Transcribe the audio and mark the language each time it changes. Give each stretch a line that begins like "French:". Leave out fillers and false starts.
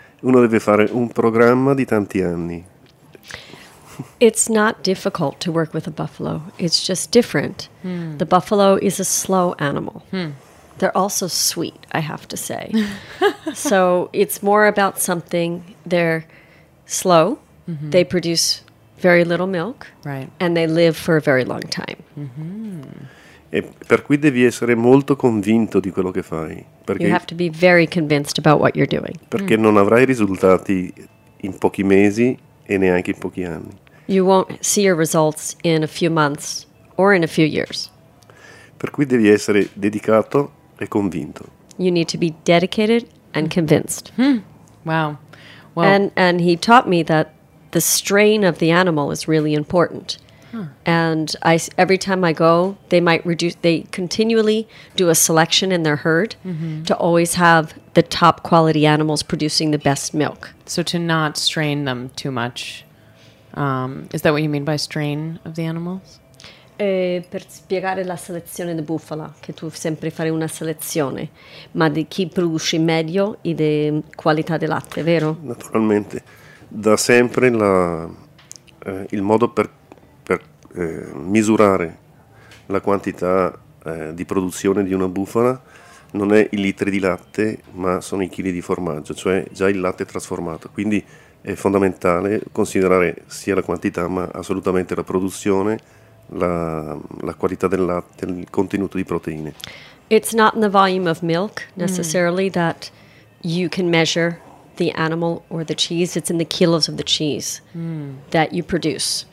Italian: Uno deve fare un programma di tanti anni.
English: It's not difficult to work with a buffalo. It's just different. The buffalo is a slow animal. They're also sweet, I have to say. So it's more about something. They're slow. They produce very little milk, right, and they live for a very long time.
Italian: E per cui devi essere molto convinto di quello che fai.
English: You have to be very convinced about what you're doing.
Italian: Perché non avrai risultati in pochi mesi e neanche in pochi anni.
English: You won't see your results in a few months or in a few years.
Italian: Per cui devi essere dedicato e convinto.
English: You need to be dedicated and convinced. Wow. Well, and he taught me that the strain of the animal is really important. And I, every time I go, they might reduce. They continually do a selection in their herd to always have the top quality animals producing the best milk. So to not strain them too much. Is that what you mean by strain of the animals?
Italian: Per spiegare la selezione di bufala, che tu sempre fai una selezione, ma di chi produce meglio e di qualità del latte, vero? Naturalmente. Da sempre il modo per misurare la quantità di produzione di una bufala non è i litri di latte, ma sono i chili di formaggio, cioè già il latte trasformato. Quindi è fondamentale considerare sia la quantità, ma assolutamente la produzione, la qualità del latte, il contenuto di proteine.
English: It's not in the volume of milk necessarily that you can measure the animal or the cheese, it's in the kilos of the cheese that you produce.